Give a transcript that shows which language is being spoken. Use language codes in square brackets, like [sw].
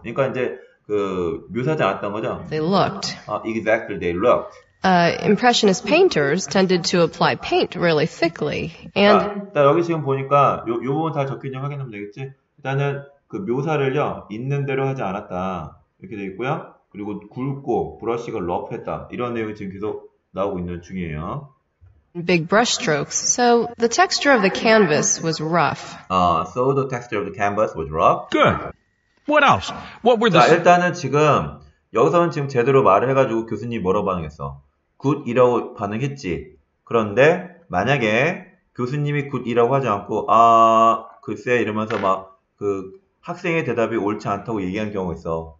[ko] 그러니까 이제 그 묘사하지 않았던 거죠. [en] They looked. Exactly, they looked. Impressionist painters tended to apply paint really thickly. And [ko] 자, 여기 지금 보니까 요 부분 다 적혀 있는 거 확인하면 되겠지? 일단은 그 묘사를요 있는 대로 하지 않았다 이렇게 돼 있고요. 그리고 굵고 브러쉬가 러프했다 이런 내용이 지금 계속 나오고 있는 중이에요. [en] Big brush strokes. So the texture of the canvas was rough. So the texture of the canvas was rough. Good. What else? What were the? [ko] 자, 일단은 지금 여기서는 지금 제대로 말을 해가지고 교수님이 뭐라고 반응했어? Good이라고 반응했지. 그런데 만약에 교수님이 good이라고 하지 않고 아 글쎄 이러면서 막 그 학생의 대답이 옳지 않다고 얘기한 경우가 있어.